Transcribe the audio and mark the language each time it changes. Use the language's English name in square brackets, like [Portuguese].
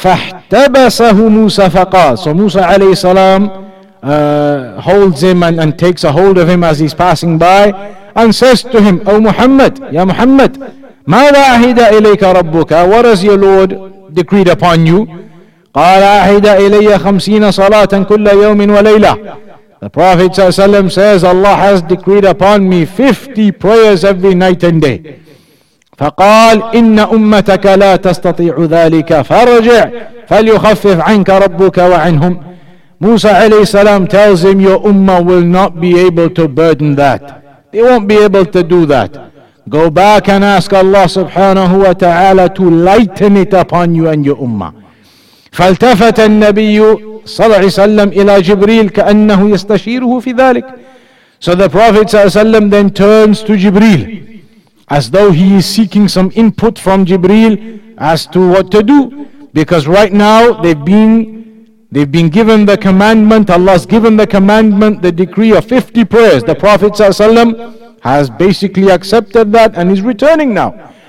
[Arabic] فَاحْتَبَسَهُ مُوسَى فَقَالَ. [English] So Musa alayhi salam holds him and takes a hold of him as he's passing by and says to him, O Muhammad, Ya Muhammad, [Arabic] مَا وَعَهِدَ إِلَيْكَ رَبُّكَ. [English] What has your Lord decreed upon you? [Arabic] قَالَ أَعْهِدَ إِلَيَّ 50 صَلَاةً كُلَّ يَوْمٍ وَلَيْلَةٍ. [English] The Prophet ﷺ says, Allah has decreed upon me 50 prayers every night and day. [Arabic] فقال إن أمتك لا تستطيع ذلك فرجع فليخفف عنك ربك وعنهم. [English] موسى عليه السلام tells him, your ummah will not be able to burden that. They won't be able to do that. Go back and ask Allah subhanahu wa ta'ala to lighten it upon you and your ummah. [Arabic] فالتفت النبي صلى الله عليه وسلم إلى جبريل كأنه يستشيره في ذلك. [English] So the Prophet صلى الله عليه وسلم then turns to Jibreel as though he is seeking some input from Jibreel as to what to do, because right now they've been given the commandment. Allah's given the commandment, the decree of 50 prayers. The Prophet صلى الله عليه وسلم has basically accepted that and is returning now.